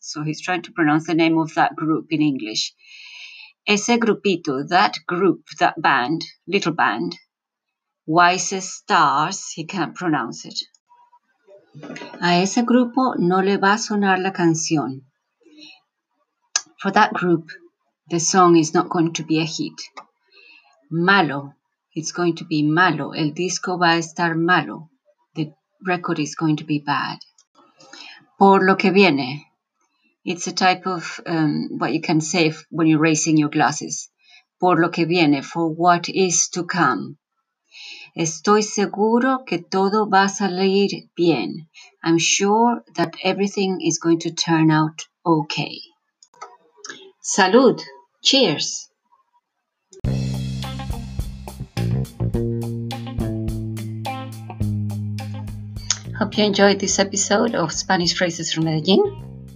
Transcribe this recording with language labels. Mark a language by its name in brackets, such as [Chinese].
[English] So he's trying to pronounce the name of that group in English. [Spanish] Ese grupito, [English] that group, that band, little band. Wise Stars, he can't pronounce it. [Spanish] A ese grupo no le va a sonar la canción. [English] For that group, the song is not going to be a hit. Malo, it's going to be malo. [Spanish] El disco va a estar malo. [English] The record is going to be bad. [Spanish] Por lo que viene, [English] it's a type of what you can say when you're raising your glasses. [Spanish] por lo que viene, [English] for what is to come. [Spanish] Estoy seguro que todo va a salir bien. [English] I'm sure that everything is going to turn out okay. Salud. Cheers. Hope you enjoyed this episode of Spanish Phrases from Medellín.